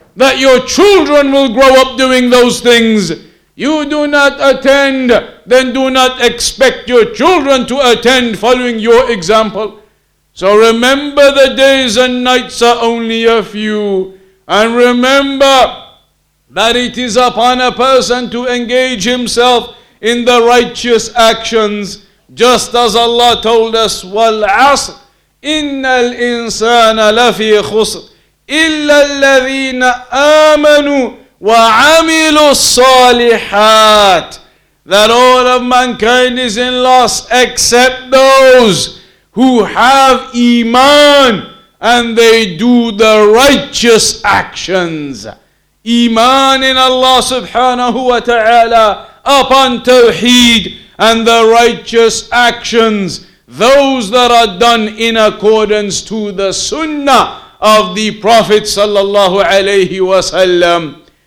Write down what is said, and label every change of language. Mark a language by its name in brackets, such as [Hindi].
[English] that your children will grow up doing those things. You do not attend, then do not expect your children to attend following your example. So remember, the days and nights are only a few. And remember that it is upon a person to engage himself in the righteous actions. Just as Allah told us, [Arabic] وَالْعَصْرِ إِنَّ الْإِنسَانَ لَفِي خُسْرِ إِلَّا الَّذِينَ آمَنُوا وَعَمِلُوا الصَّالِحَاتِ. [English] That all of mankind is in loss except those who have iman and they do the righteous actions. Iman in Allah subhanahu wa ta'ala upon tawheed, and the righteous actions, those that are done in accordance to the sunnah of the Prophet sallallahu alayhi wa sallam.